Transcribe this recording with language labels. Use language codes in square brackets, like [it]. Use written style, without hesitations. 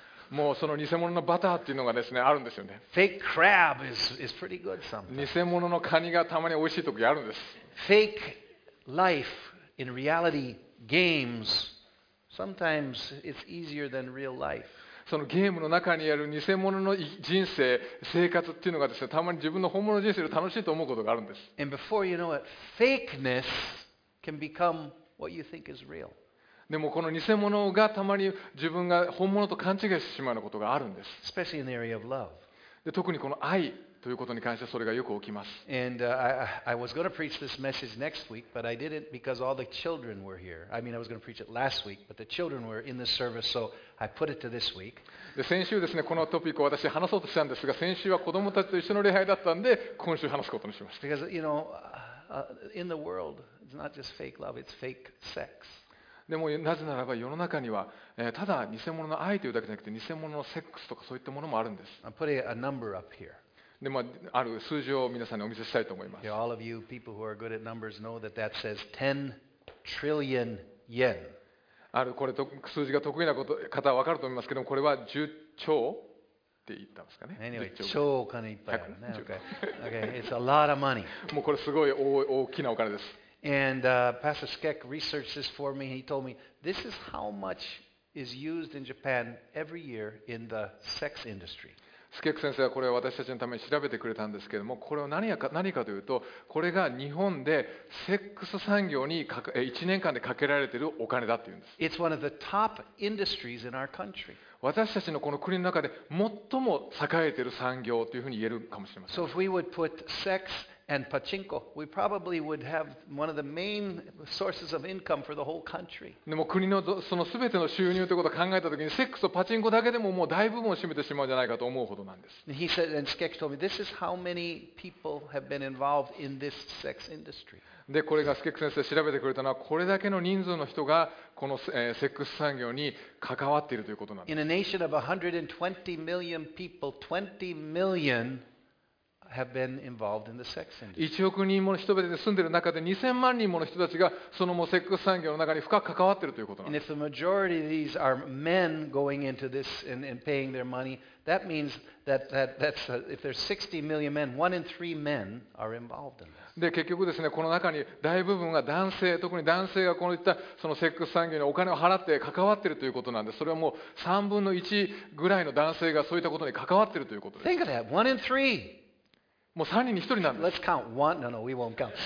[ja] もうその偽物のバターっていうのがですね、あるんですよね。 [en] Fake crab is pretty good sometimes. [ja] 偽物のカニがたまに美味しい時あるんです。 [en] Fake life in reality gamesSometimes it's easier than real life. [ja] そのゲームの中にある偽物の人生、生活っていうのがですね、たまに自分の本物の人生より楽しいと思うことがあるんです。 [en] And before you know it, fakeness can become what you think is real. [ja] でもこの偽物がたまに自分が本物と勘違いしてしまうことがあるんです。 [en] Especially in the area of love. [ja] で、特にこの愛ということに関してはそれがよく起きます。 [en] And I was going to preach this message next week, but I didn't because all the children were here. I mean, I was going to preach it last week, but the children were in the service, so I put it to this week. [ja] で、先週ですね、このトピックを私話そうとしたんですが、先週は子どもたちと一緒の礼拝だったんで、今週話すことにしました。 [en] Because you know, in the world, it's not just fake love, it's fake sex. [ja] でもなぜならば世の中にはただ偽物の愛というだけじゃなくて、偽物のセックスとかそういったものもあるんです。 [en] I'm putting a number up here. [ja] でまあ、ある数字を皆さんにお見せしたいと思います。 [en] All of you people who are good at numbers know that that says 10 trillion yen. [ja] あるこれと数字が得意なこと方は分かると思いますけども、これは10兆って言ったんですかね。 [en] Anyway, [ja] 超お金いっぱいあるね。 [en] Okay. Okay, it's a lot of money. [ja] もうこれすごい大きなお金です。 [en] And Pastor Skek researched this for me. He told me this is how much is used in Japan every year in the sex industry. [ja] スケク先生はこれを私たちのために調べてくれたんですけれども、これは何かというと、これが日本でセックス産業に1年間でかけられているお金だというんです。 [en] It's one of the top industries in our country. [ja] 私たちのこの国の中で最も栄えている産業というふうに言えるかもしれません。 [en] So if we would put sex and pachinko, we probably would have one of the main sources of income for the whole country. [ja] でも国のその全ての収入ということを考えたときに、セックスとパチンコだけでももう大部分を占めてしまうんじゃないかと思うほどなんです。 [en] He said, and Skek told me, this is how many people have been involved in this sex industry. [ja] でこれがスケック先生調べてくれたのは、これだけの人数の人がこのセックス産業に関わっているということなんです。 [en] In a nation of 120 million people, 20 million have been involved in the sex industry. [ja] 1億人もの人々で住んでいる中で、2000万人もの人たちがそのもセックス産業の中に深く関わっているということなんです。 [en] And if the majority of these are men going into this and paying their money, that means that's if there's 60 million men, one in three men are involved in this. [ja] で結局ですね、この中に大部分が男性、特に男性がこういったそのセックス産業にお金を払って関わっているということなんで、それはもう3分の1ぐらいの男性がそういったことに関わっているということです。 [en] Think of that. One in three. [ja] もう3人に1人なんです。 [en] Let's count. One. No, we won't count.